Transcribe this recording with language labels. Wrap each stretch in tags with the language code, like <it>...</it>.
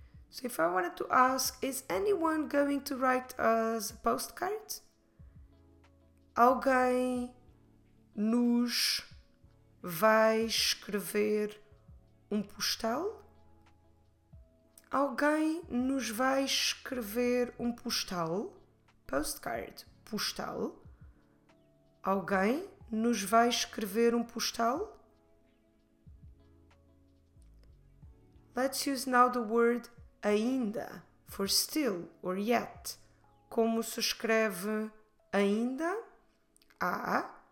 <en>So if I wanted to ask, is anyone going to write us a postcard?</en> <pt>Alguém nos vai escrever postal? Alguém nos vai escrever postal? Postcard. Postal. Alguém nos vai escrever postal?</pt> <en>Let's use now the word ainda, for still or yet.</en> <pt>Como se escreve ainda? A-I-N-D-A.</pt>